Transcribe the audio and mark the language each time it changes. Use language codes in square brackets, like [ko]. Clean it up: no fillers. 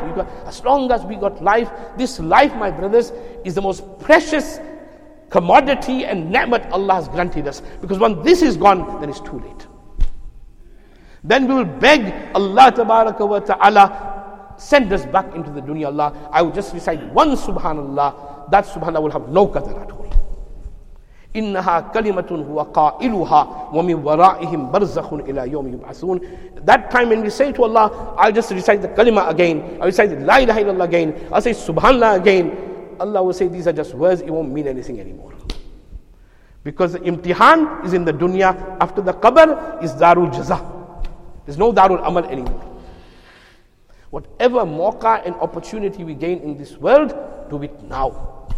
[en] You got, as long as we got life, this life, my brothers, is the most precious commodity and ni'mat Allah has granted us. Because when this is gone, then it's too late. Then we will beg Allah tabaraka wa ta'ala, send us back into the dunya, Allah. I will just recite one subhanallah. That subhanallah will have no qadar at all. [ar] إنها كلمة هو قائلها ومن ورائهم برزخ إلى يوم يبعثون. [en] That time when we say to Allah, I'll just recite the kalima again, I'll recite the la ilaha illallah again, I'll say subhanallah again, Allah will say these are just words, it won't mean anything anymore. Because the imtihan is in the dunya, after the qabr is darul jaza. There's no darul amal anymore. Whatever mawqa and opportunity we gain in this world, do it now.